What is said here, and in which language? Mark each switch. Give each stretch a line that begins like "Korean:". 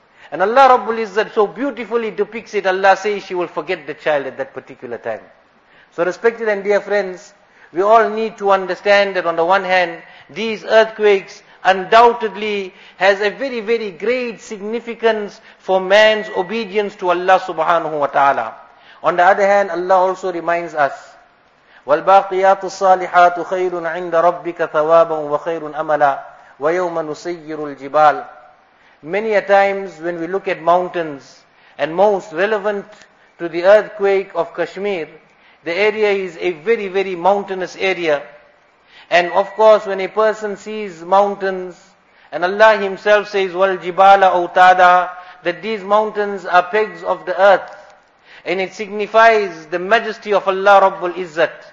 English: And Allah Rabbul Izzat so beautifully depicts it, Allah says she will forget the child at that particular time. So respected and dear friends, we all need to understand that on the one hand, these earthquakes undoubtedly has a very, very great significance for man's obedience to Allah subhanahu wa ta'ala. On the other hand, Allah also reminds us,
Arabic: وَالْبَاقِيَاتُ الصَّالِحَاتُ خَيْرٌ عِنْدَ رَبِّكَ ثَوَابًا وَخَيْرٌ أَمَلًا وَيَوْمَ نُسَيِّرُ الْجِبَالِ.
English: Many a times when we look at mountains, and most relevant to the earthquake of Kashmir, the area is a very, very mountainous area. And of course, when a person sees mountains, and Allah Himself says,
Arabic: وَالْجِبَالَ أَوْتَادًا,
English: that these mountains are pegs of the earth, and it signifies the majesty of Allah Rabbul Izzat.